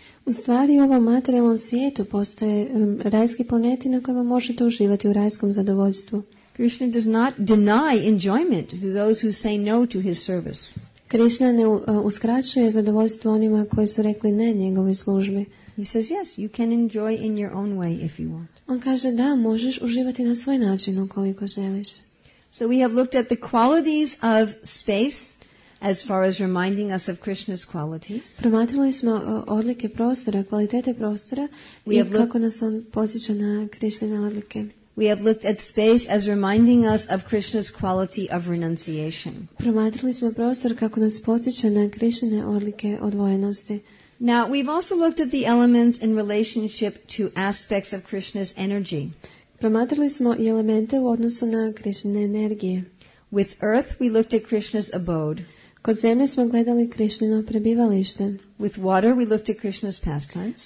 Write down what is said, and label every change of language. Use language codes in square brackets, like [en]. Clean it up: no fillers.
[hr] U stvari, u ovom materijalnom svijetu postoje rajski planeti na kojima možete uživati u rajskom zadovoljstvu. [en] Krishna does not deny enjoyment to those who say no to his service. [hr] Krishna ne uskraćuje zadovoljstvo onima koji su rekli ne njegovoj službi. [en] He says yes, you can enjoy in your own way if you want. [hr] On kaže da, možeš uživati na svoj način ukoliko želiš. [en] So we have looked at the qualities of space as far as reminding us of Krishna's qualities. [hr] Promatrali smo odlike prostora, kvalitete prostora i kako nas on podsjeća na Krishnine odlike. [en] We have looked at space as reminding us of Krishna's quality of renunciation. [hr] Promatrali smo prostor kako nas podsjeća na Krishnine odlike odvojenosti. [en] Now we've also looked at the elements in relationship to aspects of Krishna's energy. [hr] Promatrali smo i elemente u odnosu na Krishnine energije. [en] With earth we looked at Krishna's abode. [hr] Kod zemlje smo gledali Krishnino prebivalište. [en] With water we looked at Krishna's pastimes.